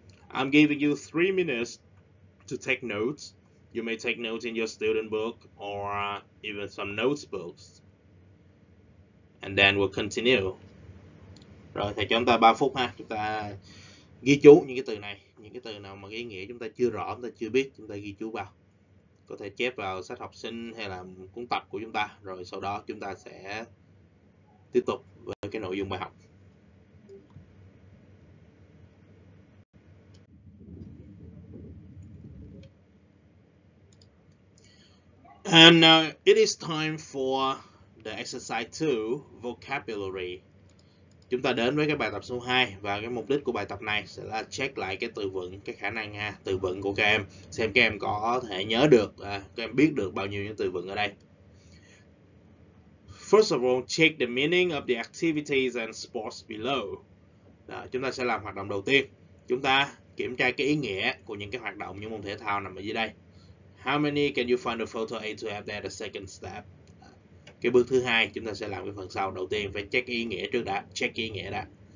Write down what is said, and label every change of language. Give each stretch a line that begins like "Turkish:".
English: I'm giving you 3 minutes to take notes. You may take notes in your student book or even some notebooks. And then we'll continue.
Vietnamese: Rồi, thầy cho chúng ta 3 phút ha. Chúng ta ghi chú những cái từ này. Những cái từ nào mà cái ý nghĩa chúng ta chưa rõ, chúng ta chưa biết, chúng ta ghi chú vào. Có thể chép vào sách học sinh hay là cuốn tập của chúng ta. Rồi sau đó chúng ta sẽ tiếp tục với cái nội dung bài học.
English: And it is time for the exercise 2, vocabulary.
Vietnamese: Chúng ta đến với cái bài tập số 2, và cái mục đích của bài tập này sẽ là check lại cái từ vựng, cái khả năng ha, từ vựng của các em, xem các em có thể nhớ được, các em biết được bao nhiêu những từ vựng ở đây.
English: First of all, check the meaning of the activities and sports below.
Vietnamese: Đó, chúng ta sẽ làm hoạt động đầu tiên. Chúng ta kiểm tra cái ý nghĩa của những cái hoạt động, những môn thể thao nằm ở dưới đây.
English: How many can you find the photo A to F at the second step?
Vietnamese: Cái bước thứ hai chúng ta sẽ làm cái phần sau. Đầu tiên phải check ý nghĩa trước đã, check ý nghĩa đã.